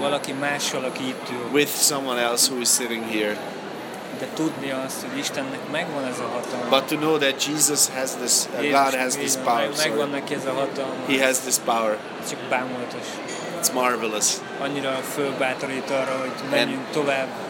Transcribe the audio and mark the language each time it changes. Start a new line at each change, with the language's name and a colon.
Hungarian: Valaki mással, aki itt ül.
English: With someone else who is sitting here.
Hungarian: De tudni azt, hogy Istennek megvan ez a hatalma.
English: But to know that Jesus has this, God has this power.
Hungarian: Megvan neki ez a hatalma.
English: He has this power.
Hungarian: Csak bámulatos.
English: It's marvelous.
Hungarian: Annyira fölbátorít arra, hogy menjünk tovább.